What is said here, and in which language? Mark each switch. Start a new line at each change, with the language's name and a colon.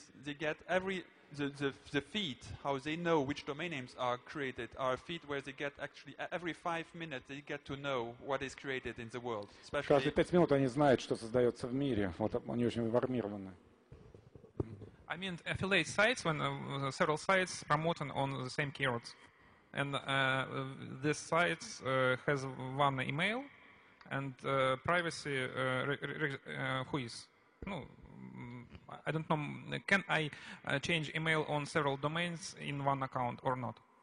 English: They get the feed, how they know which domain names are created, are a feed where they get actually every 5 minutes they get to know what is created in the world.
Russian: Каждые 5 минут они знают, что создается в мире. Вот они очень информированы.
English: I mean affiliate sites when several sites promote on the same keywords, and this site has one email, and privacy who is? No, I don't know. Can I change email on several domains in one account or not?